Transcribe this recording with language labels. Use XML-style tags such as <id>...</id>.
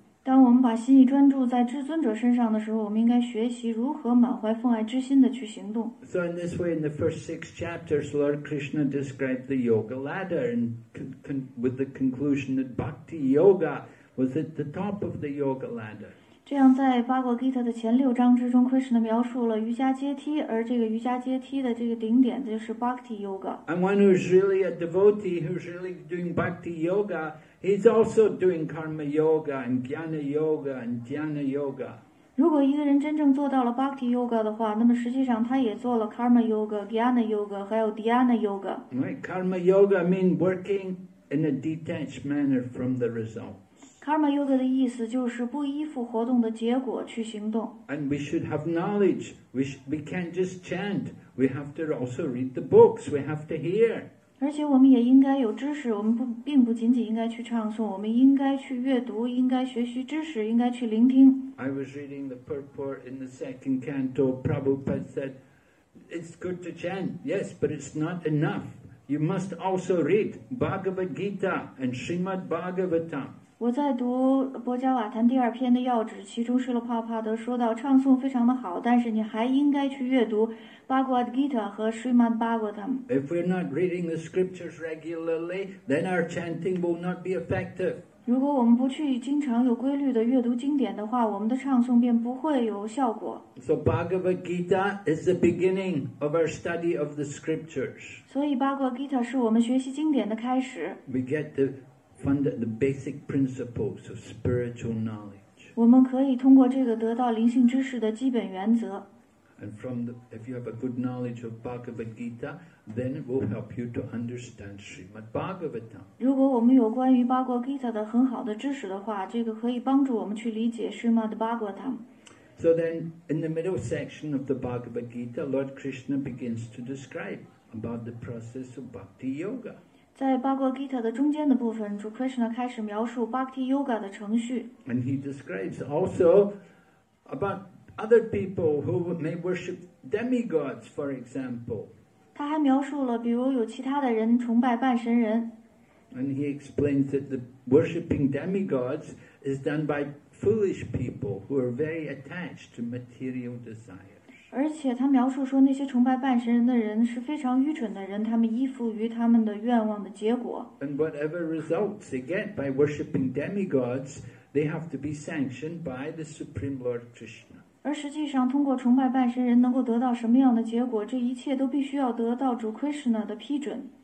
<zh>当我们把心意专注在至尊者身上的时候，我们应该学习如何满怀奉爱之心的去行动。</zh> <en>So in this way, in the first six chapters, Lord Krishna described the yoga ladder and with the conclusion that bhakti yoga was at the top of the yoga ladder.</en> <zh>这样在八卦 Gita 的前六章之中 Krishna 描述了瑜伽阶梯，而这个瑜伽阶梯的这个顶点就是 Bhakti Yoga.</zh> <en>And one who's really a devotee, who's really doing Bhakti Yoga, he's also doing Karma Yoga and Jnana Yoga and Jnana Yoga.</en> <zh>如果一个人真正做到了 Bhakti Yoga 的话，那么实际上他也做了 Karma Yoga, Jnana Yoga, 还有 Jnana Yoga.</zh> <en>Right, Karma Yoga means working in a detached manner from the result.</en> <zh>Karma Yoga 的意思就是不依附活动的结果去行动。</zh> <en>And we should have knowledge. We can't just chant. We have to also read the books. We have to hear.</en> <zh>而且我们也应该有知识。我们并不仅仅应该去唱诵，我们应该去阅读，应该学习知识，应该去聆听。</zh> <en>I was reading the purport in the second canto. Prabhupada said, "It's good to chant, yes, but it's not enough. You must also read Bhagavad Gita and Srimad Bhagavatam.</en> <zh>我在读博迦瓦坛第二篇的要旨，其中释勒帕帕德说到，唱诵非常的好，但是你还应该去阅读Bhagavad Gita 和 Srimad Bhagavatam.</zh> <en>If we're not reading the scriptures regularly, then our chanting will not be effective.</en> <zh>如果我们不去经常有规律的阅读经典的话，我们的唱诵便不会有效果。</zh> <en>So Bhagavad Gita is the beginning of our study of the scriptures.</en> <zh>所以 Bhagavad Gita 是我们学习经典的开始。</zh> <en>We get to find the basic principles of spiritual knowledge.</en> <zh>我们可以通过这个得到灵性知识的基本原则。</zh> <en>And from the, if you have a good knowledge of Bhagavad Gita, then it will help you to understand Srimad Bhagavatam.</en> <zh>如果我们有关于 Bhagavad Gita 的很好的知识的话，这个可以帮助我们去理解 Srimad Bhagavatam.</zh> <en>So then, in the middle section of the Bhagavad Gita, Lord Krishna begins to describe about the process of Bhakti Yoga.</en> <zh>在 Bhagavad Gita 的中间的部分，主 Krishna 开始描述 Bhakti Yoga 的程序。</zh> <en>And he describes also about other people who may worship demigods, for example.</en> <zh>他还描述了比如有其他的人崇拜半神人。</zh> <en>And he explains that the worshipping demigods is done by foolish people who are very attached to material desires.</en> <zh>而且他描述说那些崇拜半神人的人是非常愚蠢的人，他们依附于他们的愿望的结果。</zh> <en>And whatever results they get by worshipping demigods, they have to be sanctioned by the Supreme Lord Krishna.</en> <zh>而实际上通过崇拜半神人能够得到什么样的结果，这一切都必须要得到主 Krishna 的批准。</zh>